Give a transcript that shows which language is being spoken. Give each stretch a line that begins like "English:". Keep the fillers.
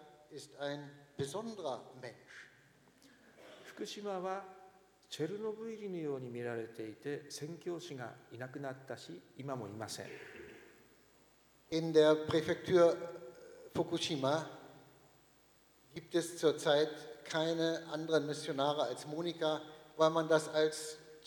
German: Ist ein besonderer Mensch.
Japanese: 福島はチェルノブイリのように見られていて、宣教師がいなくなったし、今もいません。
German: In der Präfektur Fukushima gibt es zurzeit keine anderen Missionare als Monika, weil man das als